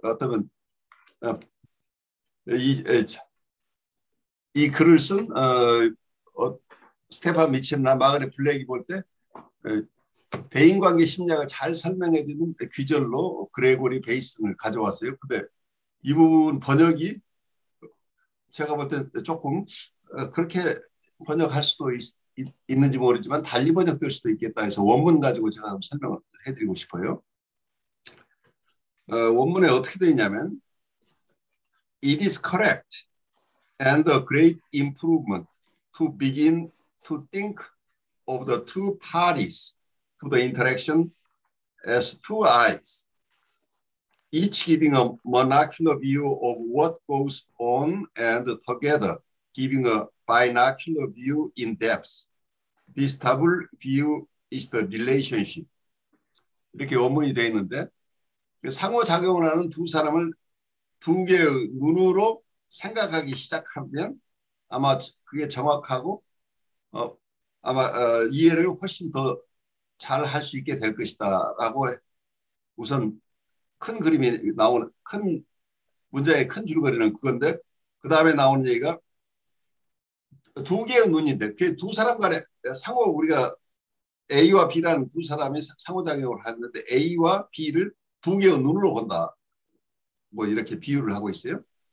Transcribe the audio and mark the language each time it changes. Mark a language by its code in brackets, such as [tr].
[ko] 어떤 이 글을 쓴 스테판 미첼이나 마그네 블랙이 볼 때, 대인관계 심리학을 잘 설명해주는 귀절로 그레고리 베이슨을 가져왔어요. 근데 이 부분 번역이 제가 볼때 조금 그렇게 번역할 수도 있는지 모르지만 달리 번역될 수도 있겠다 해서 원문 가지고 제가 한번 설명을 해드리고 싶어요. 원문에 어떻게 되어 있냐면, [en] It is correct and a great improvement to begin to think of the two parties to the interaction as two eyes, each giving a monocular view of what goes on and together giving a binocular view in depth. This double view is the relationship. [ko] 이렇게 원문이 되어 있는데, 상호작용을 하는 두 사람을 두 개의 눈으로 생각하기 시작하면 아마 그게 정확하고 이해를 훨씬 더잘할수 있게 될 것이다라고 우선 큰 그림이 나오는 큰 문장의 큰 줄거리는 그건데, 그 다음에 나오는 얘기가 두 개의 눈인데, 그두 사람 간에 상호 우리가 A와 B라는 두 사람이 상호작용을 하는데 A와 B를 두 개의 눈으로 본다, 뭐 이렇게 비유를 하고 있어요.